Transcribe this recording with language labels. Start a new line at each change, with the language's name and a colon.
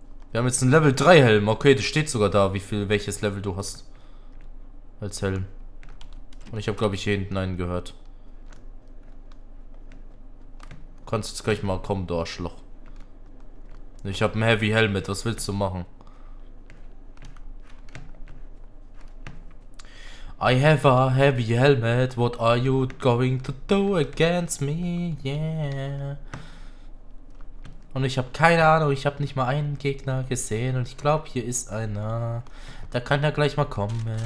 German: Wir haben jetzt einen Level 3 Helm, okay, das steht sogar da, welches Level du hast. Als Helm. Und ich habe, glaube ich, hier hinten einen gehört. Du kannst jetzt gleich mal kommen, du Arschloch. Ich habe ein Heavy Helmet, was willst du machen?
English: I have a heavy helmet, what are you going to do against me? Yeah.
German: Und ich habe keine Ahnung, ich habe nicht mal einen Gegner gesehen und ich glaube, hier ist einer. Da kann er gleich mal kommen.